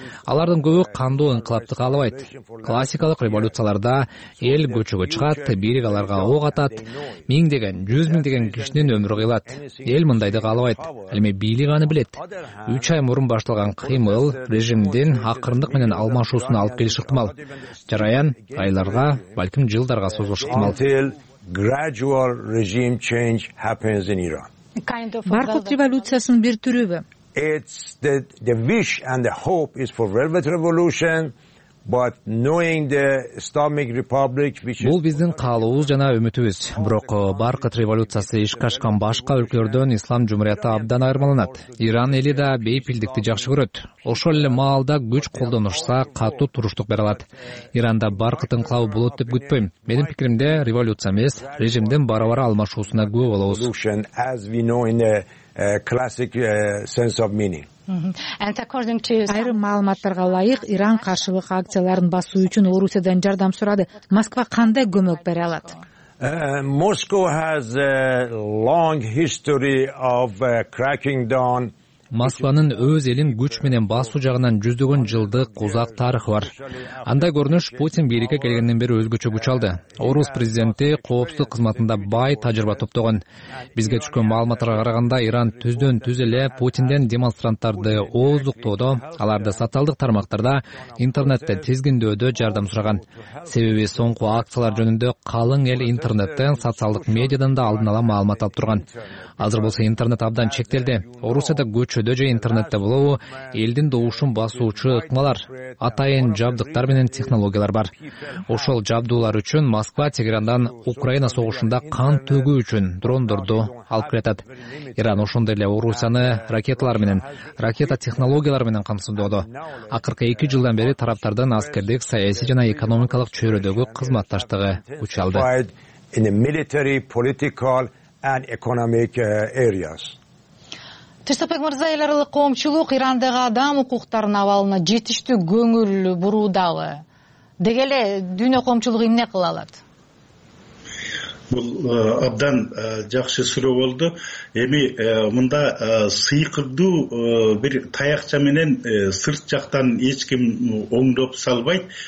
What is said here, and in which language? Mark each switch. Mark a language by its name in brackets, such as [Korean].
[Kyrgyz] Алардын көбү кандуу инкылапты каалабайт. Классикалык революцияларда эл көчөгө чыгат, бийлик аларга ок атат, миң деген, жүз миң деген кишинин өмүрү кыйылат. Эл мындайды каалабайт. Эми бийлик аны билет. 3 ай мурун башталган кыймыл режимдин акырындык менен алмашуусуна алып келиш ыктымал. Жараян айларга, балким жылдарга созулуш ыктымал. [English] Gradual regime change happens in Iran. [Kyrgyz] Баркут революциясынын бир түрүбү. [English] It's the wish and the hope is for velvet revolution. But knowing the Islamic Republic which is [Kyrgyz] бул биздин каалообуз жана үмүтүбүз. Бирок Баркыт революциясы ишке ашкан башка өлкөлөрдөн Ислам жумурияты абдан айырмаланат. Иран эли да бейпилдикти жакшы көрөт. Ошол эле маалда күч колдонушса катуу туруштук бере алат. Иранда Баркыт инкылабы болот деп күтпөйм. Менин пикиримде революция эмес, режимдин барабары алмашуусуна күбө болобуз. [English] As we know in the classic sense of meaning. And according to [Kyrgyz] айрым маалыматтарга ылайык, Иран каршылык акцияларын басуу үчүн Орусиядан жардам сурады. Москва кандай көмөк бере алат? [English] Moscow has a long history of cracking down. [Kyrgyz] Москванын өз элин күч менен басуу жагынан жүздөгөн жылдык узак тарыхы бар. Андай көрүнүш Путин бийликке келгенден бери өзгөчө күч алды. Орус президенти коопсуздук кызматында бай тажрыйба топтогон. Бизге түшкөн маалыматтарга караганда Иран түздөн түз эле Путинден демонстранттарды ооздуктоодо, аларды социалдык тармактарда, интернетте тизгиндөөдө жардам сураган. Себеби соңку акциялар жөнүндө калың эл интернеттен, социалдык медиадан да алдын ала маалымат алып турган. Азыр болсо интернет абдан чектелди. Орусияда көчөдө же интернетте болобу элдин добушун басуучу ыкмалар, атайын жабдыктар менен технологиялар бар. Ошол жабдуулар үчүн Москва Тегерандан Украина согушунда кан төгүү үчүн дрондорду алып келатат. Иран ошондой эле Орусияны ракеталар менен, ракета технологиялары менен камсыздоодо. Акыркы 2 жылдан бери тараптардын аскердик, саясий жана экономикалык чөйрөдөгү кызматташтыгы күчөлдү. [English] In the military, political and economic areas. [Kyrgyz] Түштөбек Мырза, эл аралык коомчулук Ирандагы адам укуктарынын абалына жетиштүү көңүл буруудабы? Деги эле дүйнө коомчулугу эмне кыла алат? Бул абдан жакшы суроо болду. Эми мында сыйкырдуу бир таякча менен сырт жактан эч ким оңдоп салбайт.